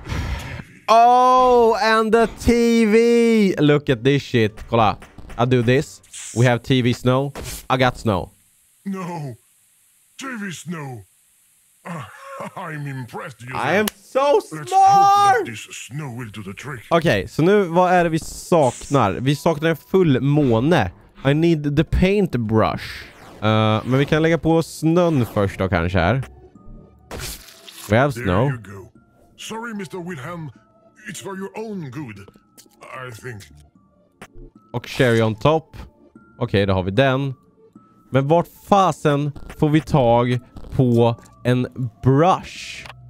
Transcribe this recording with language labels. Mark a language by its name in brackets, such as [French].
[English] the TV. Oh, and the TV! Look at this shit. Kolla. I do this. We have TV snow. I got snow. No. TV snow. I'm impressed. I am so smart! Let's hope that this snow will do the trick. [Swedish] Okej, så nu, vad är det vi saknar? Vi saknar en full måne. [English] I need the paintbrush. [Swedish] Men vi kan lägga på snön först då kanske här. [English] We have snow. There you go. Sorry, Mr. Wilhelm. It's for your own good, I think. [Swedish] Och [English] cherry on top. [Swedish] Okej, då har vi den. Men vart fasen får vi tag på en brush?